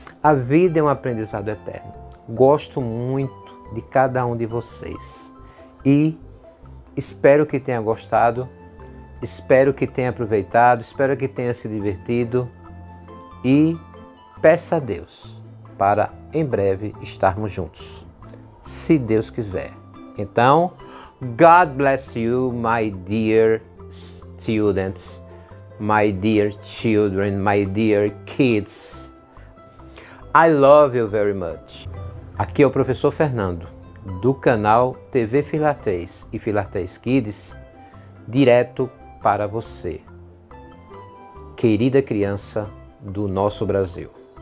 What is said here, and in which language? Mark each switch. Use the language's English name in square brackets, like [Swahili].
[Portuguese] A vida é um aprendizado eterno. Gosto muito de cada um de vocês e espero que tenha gostado, espero que tenha aproveitado, espero que tenha se divertido e peça a Deus para em breve estarmos juntos, se Deus quiser. [English] Então, God bless you, my dear students, my dear children, my dear kids. I love you very much. [Portuguese] Aqui é o professor Fernando, do canal TV Filatês e Filatês Kids, direto para você, querida criança do nosso Brasil.